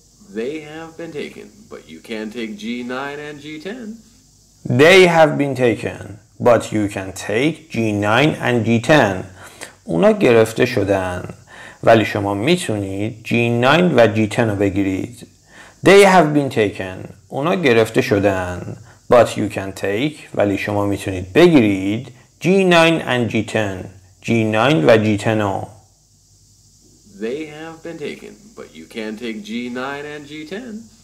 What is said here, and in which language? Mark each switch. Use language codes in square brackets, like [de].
[en] They have been taken, but you can take G9 and G10. They have been taken, but you can take G9 and G10. [fa] اونا گرفته شدن، ولی شما میتونید G9 و G10 رو بگیرید. [en] They have been taken. [fa] اونا گرفته شدن. [en] But you can take, [fa] ولی شما میتونید بگیرید [en] G9 and G10. [fa] G9 و G10. [en] They have been taken, but you can take G9 and G10.